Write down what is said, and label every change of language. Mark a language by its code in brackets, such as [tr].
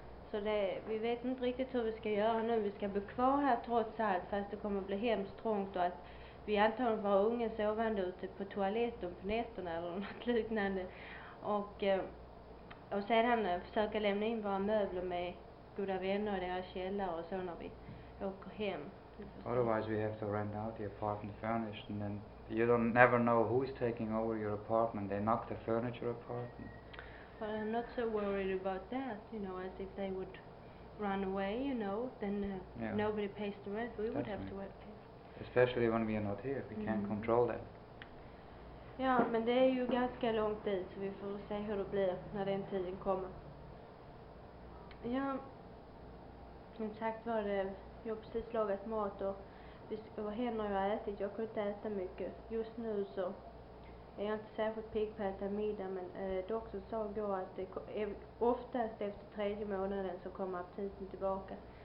[sv] Så det, vi vet inte riktigt hur vi ska göra nu. Vi ska bo kvar här trots allt, fast det kommer bli hemskt trångt och att vi antar att våra unga sovande ute på toaletten på nätterna eller något liknande. Och sedan försöka lämna in våra möbler med goda vänner i deras källare och så när vi åker hem. [en] Otherwise we have to rent out the apartment furnished, and then you don't never know who is taking over your apartment. They knock the furniture apart. But I'm not so worried about that, you know, as if they would run away, you know, then yeah, nobody pays the rent. We would have right to wait. Especially when we are not here, we can't control that. [sv] Ja, men det är ju ganska långt dit, så vi får se hur det blir när den tiden kommer. Ja, som sagt var det, jag har precis lagat mat och vad händer jag har ätit? Jag kunde inte äta mycket. Just nu så är jag inte särskilt pigg på att äta middag, men doktorn sa igår att det oftast efter 3:e månaden så kommer aptiten tillbaka.